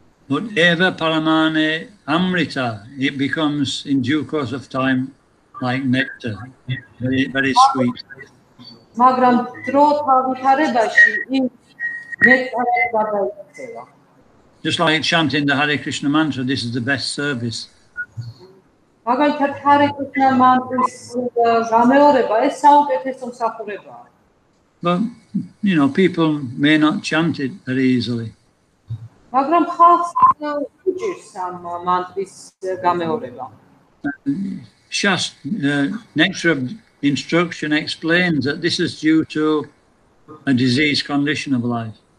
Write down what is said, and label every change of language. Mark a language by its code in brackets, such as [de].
[en] But [sa] eva paramane amrita [en] it becomes in due course of time like nectar very, very sweet. [ka] მაგრამ დრო თავითარებაში ის ნექტარად გადაიქცევა. [en] Just like chanting the Hare Krishna mantra, this is the best service. [ka] მაგალითად Hare Krishna mantra-ს გამეორება ეს საუკეთესო მსახურებაა. [en] But you know, people may not chant it very easily. [ka] მაგრამ ხალხს უჭირს ამ მანტრის გამეორება. [en] Just nectar of instruction explains that this is due to a disease condition of life.